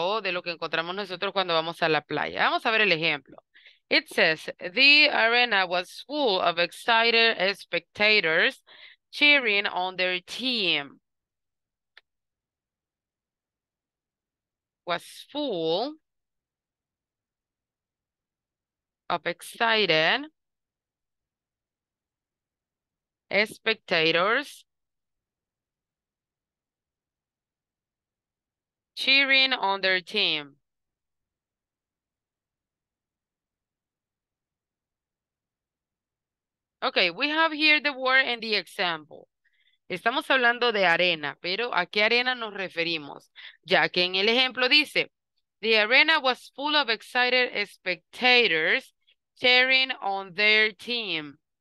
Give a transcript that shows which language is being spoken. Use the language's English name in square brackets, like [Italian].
[Spanish] O de lo que encontramos nosotros cuando vamos a la playa. Vamos a ver el ejemplo. [English] It says, the arena was full of excited spectators cheering on their team. Was full of excited spectators cheering on their team. Okay, we have here the word and the example. [Spanish] Estamos hablando de arena, pero ¿a qué arena nos referimos? Ya que en el ejemplo dice, [English] the arena was full of excited spectators cheering on their team.